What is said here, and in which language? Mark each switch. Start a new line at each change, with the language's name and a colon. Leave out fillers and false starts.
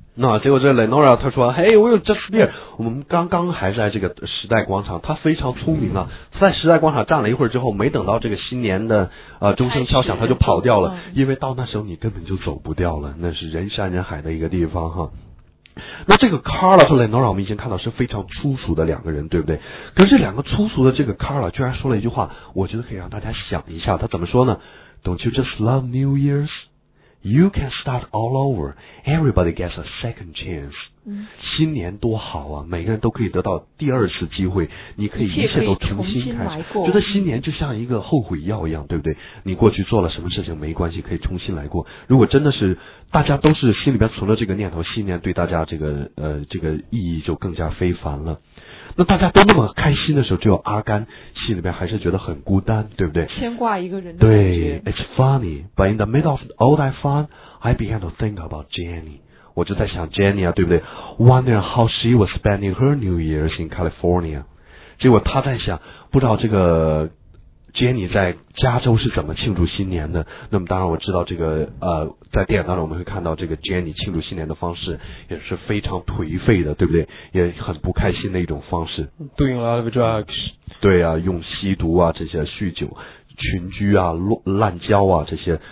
Chinese: 那结果这 Lenora 他说
English: Hey we're just there，
Chinese: 我们刚刚还在这个时代广场，他非常聪明啊，在时代广场站了一会儿之后，没等到这个新年的钟声敲响他就跑掉了，因为到那时候你根本就走不掉了，那是人山人海的一个地方哈。那这个 Carla 和 Lenora 我们已经看到是非常粗俗的两个人，对不对？可是这两个粗俗的这个 Carla 居然说了一句话，我觉得可以让大家想一下，他怎么说呢？
English: Don't you just love New Year'sYou can start all over. Everybody gets a second chance.
Chinese: 新年多好啊，每个人都可以得到第二次机会，你可以一切都重新开始，觉得新年就像一个后悔药一样，对不对？你过去做了什么事情没关系，可以重新来过。如果真的是大家都是心里边存了这个念头，新年对大家这个意义就更加非凡了。那大家都那么开心的时候，只有阿甘心里边还是觉得很孤单，对不对？牵挂一个人的。对
English: ，It's funny, but in the middle of all that fun, I began to think about Jenny.
Chinese: 我就在想 Jenny 啊，对不对
English: ？Wondering how she was spending her New Year's in California.
Chinese: 结果他在想，不知道这个 Jenny 在加州是怎么庆祝新年的。那么当然我知道这个在电影当中我们会看到这个 Jenny 庆祝新年的方式也是非常颓废的，对不对？也很不开心的一种方式。
English: Doing a lot of drugs.
Chinese: 对啊，用吸毒啊，这些酗酒群居啊，滥交啊，这些。